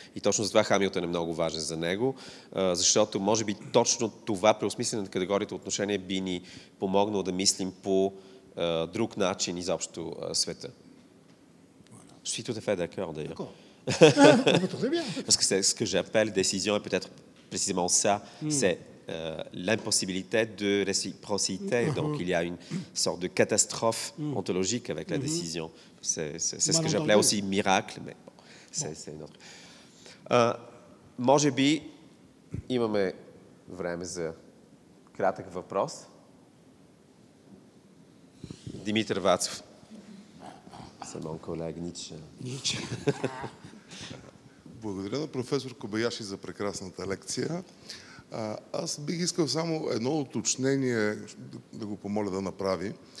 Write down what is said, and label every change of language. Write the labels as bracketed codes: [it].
[bg] И точно за това Хамилтън е много важен за него, защото може би точно това преосмислене на категорията отношение би ни помогнало да мислим по друг начин изобщо света. [fr] Je suis tout à fait d'accord, d'ailleurs. Parce que ce que j'appelle décision est peut-être précisément ça, c'est l'impossibilité de réciprocité. Donc il y a une sorte de catastrophe ontologique avec la décision. C'est ce que j'appelais aussi miracle, mais bon, c'est une autre. [bg] Може би имаме време за кратък въпрос. [fr] Димитър Вацов. C'est mon collègue Nietzsche. [bg] Благодаря на професор Кобаяши за прекрасната лекция. Аз бих искал само едно уточнение да го помоля да направи.